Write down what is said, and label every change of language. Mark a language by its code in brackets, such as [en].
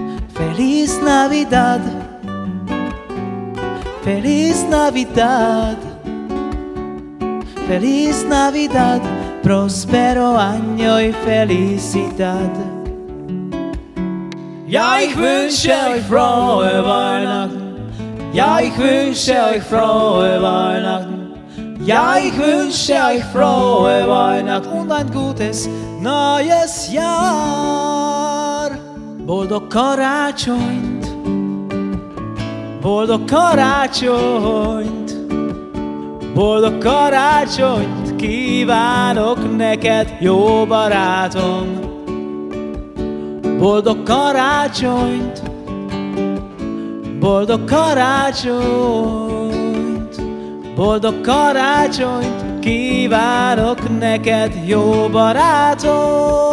[es] Feliz Navidad, Feliz Navidad, Feliz Navidad, Prospero Año y Felicidad. [de] Ja, ich wünsche euch frohe Weihnachten. Ja, ich wünsche euch frohe Weihnachten. Ja, ich wünsche euch frohe Weihnachten und ein gutes neues Jahr. [hu] Boldog karácsonyt, boldog karácsonyt, boldog karácsonyt kívánok neked, jó barátom. Boldog karácsonyt, boldog karácsonyt, boldog karácsonyt kívánok neked, jó barátom.